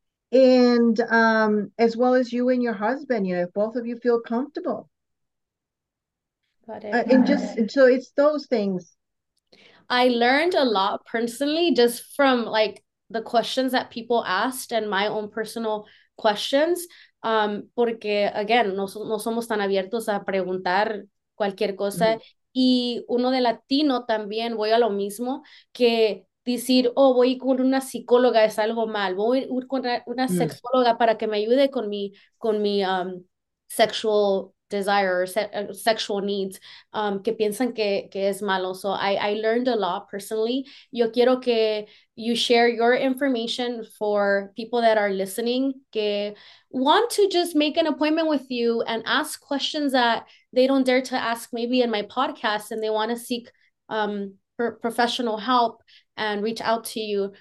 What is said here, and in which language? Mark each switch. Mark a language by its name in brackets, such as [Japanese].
[English] And as well as you and your husband, if both of you feel comfortable. Got And it. just so it's those things. I learned a lot personally just from like the questions that people asked and my own personal questions. [Spanish] Porque [English] again, [Spanish] no somos tan abiertos a preguntar cualquier cosa. Y uno de latino también voy a lo mismo que decir, oh, voy con una psicóloga, es algo mal. Voy con una sexóloga para que me ayude con mi [English] sexual desire, sexual needs, [Spanish] que piensan que es malo. [English] So I learned a lot personally. [Spanish] Yo quiero que [English] you share your information for people that are listening, [Spanish] que [English] want to just make an appointment with you and ask questions that they don't dare to ask maybe in my podcast, and they want to seek professional help and reach out to you.